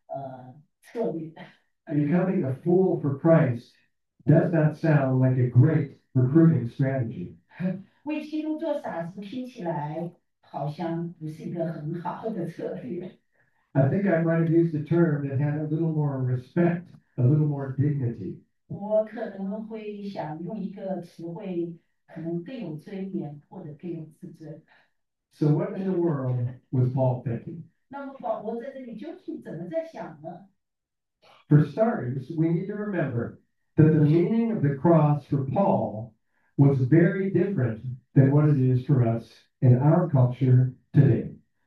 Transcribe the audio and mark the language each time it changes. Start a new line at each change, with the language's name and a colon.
Chinese: 我如果是保罗的话，我的目的是想去，就是赢得别人来信仰我们同样的信仰，那么我可能会采用一个不同的策略。
English: Becoming a fool for Christ does not sound like a great recruiting strategy.
Chinese: 为基督做傻事听起来好像不是一个很好的策略。
English: I think I might have used a term that had a little more respect, a little more dignity.
Chinese: 我可能会想用一个词汇，可能更有尊严或者更有自尊。
English: So what in the world was Paul thinking?
Chinese: 那么保罗在这里究竟怎么在想呢？
English: For starters, we need to remember that the meaning of the cross for Paul was very different than what it is for us in our culture today.